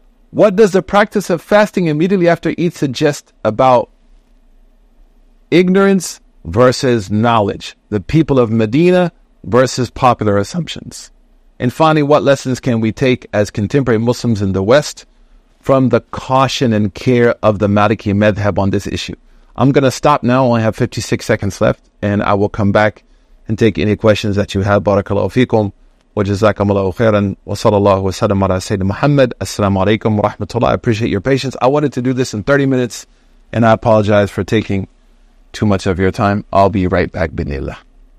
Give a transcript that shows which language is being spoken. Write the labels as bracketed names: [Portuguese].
[English] What does the practice of fasting immediately after Eid suggest about ignorance versus knowledge, the people of Medina versus popular assumptions? And finally, what lessons can we take as contemporary Muslims in the West from the caution and care of the Maliki Madhab on this issue? I'm going to stop now. I only have 56 seconds left, and I will come back and take any questions that you have. [Arabic] Barakallahu feekum. وجزاكم الله خيرا وصلى الله وسلم على سيدنا محمد السلام عليكم ورحمة الله. [English] I appreciate your patience. I wanted to do this in 30 minutes and I apologize for taking too much of your time. I'll be right back بإذن الله.